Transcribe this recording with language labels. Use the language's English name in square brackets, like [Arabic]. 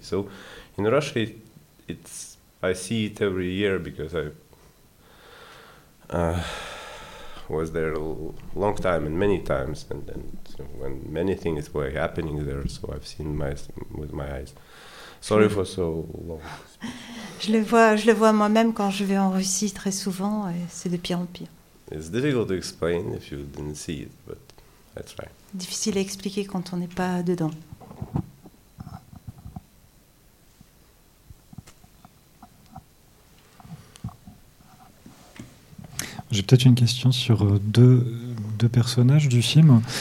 [English] So, in Russia, it's I see it every year because I. Was there a long time and many times, and when many things were happening there, so I've seen with my eyes. Sorry for so long. [French] Je le vois moi-même quand je vais en Russie très souvent, et c'est de pire en pire. [English] It's difficult to explain if you didn't see it, but I try. [French] Difficile à expliquer quand on n'est pas dedans. J'ai peut-être une question sur deux personnages du film.